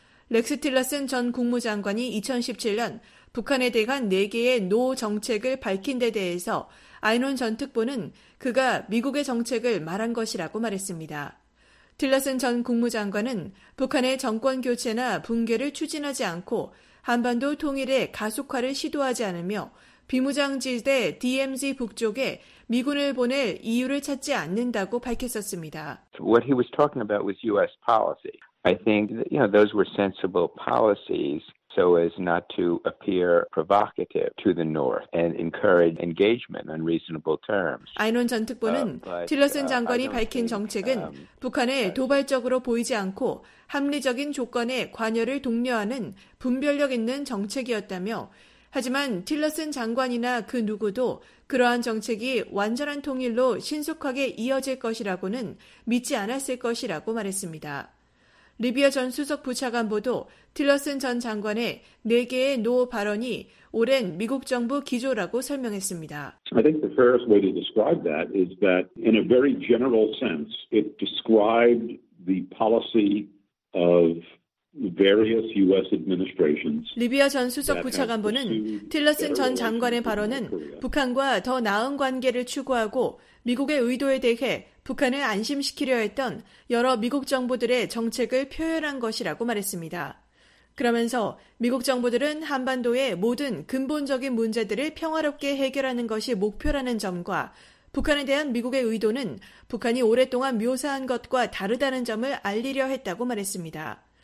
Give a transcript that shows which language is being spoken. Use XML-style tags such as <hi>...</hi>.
<ko>렉스 틸러슨 전 국무장관이 2017년 북한에 대한 4개의 노 정책을 밝힌 데 대해서 아인헌 전 특보는 그가 미국의 정책을 말한 것이라고 말했습니다. 틸러슨 전 국무장관은 북한의 정권 교체나 붕괴를 추진하지 않고 한반도 통일의 가속화를 시도하지 않으며 비무장지대 DMZ 북쪽에 미군을 보낼 이유를 찾지 않는다고 밝혔었습니다.</ko> <en>What he was talking about was U.S. policy. I think you know those were sensible policies so as not to appear provocative to the North and encourage engagement on reasonable terms.</en> <ko>아인헌 전 특보는 틸러슨 장관이 밝힌 정책은 북한에 도발적으로 보이지 않고 합리적인 조건에 관여를 독려하는 분별력 있는 정책이었다며 하지만 틸러슨 장관이나 그 누구도 그러한 정책이 완전한 통일로 신속하게 이어질 것이라고는 믿지 않았을 것이라고 말했습니다. 리비아 전 수석 부차관보도 틸러슨 전 장관의 4개의 노 발언이 오랜 미국 정부 기조라고 설명했습니다.</ko> <en>I think the fairest way to describe that is that in a very general sense, it described the policy of various U.S. administrations.</en> <ko>리비아 전 수석 부차관보는 틸러슨 전 장관의 발언은 북한과 더 나은 관계를 추구하고 미국의 의도에 대해 북한을 안심시키려 했던 여러 미국 정부들의 정책을 표현한 것이라고 말했습니다. 그러면서 미국 정부들은 한반도의 모든 근본적인 문제들을 평화롭게 해결하는 것이 목표라는 점과 북한에 대한 미국의 의도는 북한이 오랫동안 묘사한 것과 다르다는 점을 알리려 했다고 말했습니다.</ko>